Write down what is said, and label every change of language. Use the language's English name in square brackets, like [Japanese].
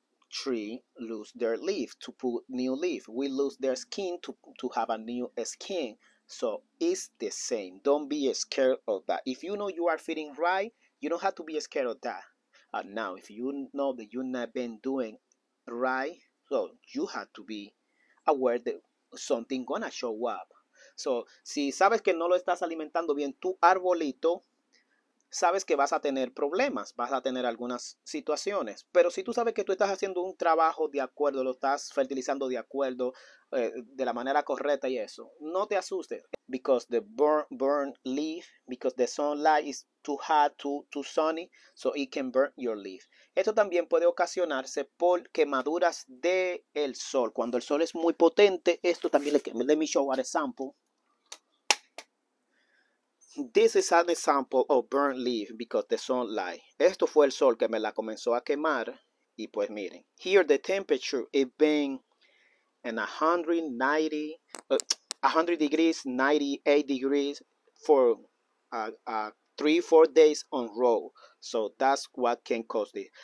[English] Tree lose their leaf to put new leaf. We lose their skin to have a new skin. So it's the same. Don't be scared of that. If you know you are feeding right, you don't have to be scared of that. Now, if you know that you've not been doing right, so you have to be aware that something gonna show up. [Spanish] So, si sabes que no lo estás alimentando bien tu arbolito, sabes que vas a tener problemas, vas a tener algunas situaciones. Pero si tú sabes que tú estás haciendo un trabajo de acuerdo, lo estás fertilizando de acuerdo, de la manera correcta y eso, no te asustes. [English] Because the burn leaf, because the sunlight is too hot, too sunny, so it can burn your leaf. [Spanish] Esto también puede ocasionarse por quemaduras de el sol. Cuando el sol es muy potente, esto también le quema. [English] Let me show an example. This is an example of burn leaf because the sunlight. [Spanish] Esto fue el sol que me la comenzó a quemar. Y pues miren, [English] here the temperature is being in 190, 100 degrees, 98 degrees for 3, 4 days on row. So that's what can cause this.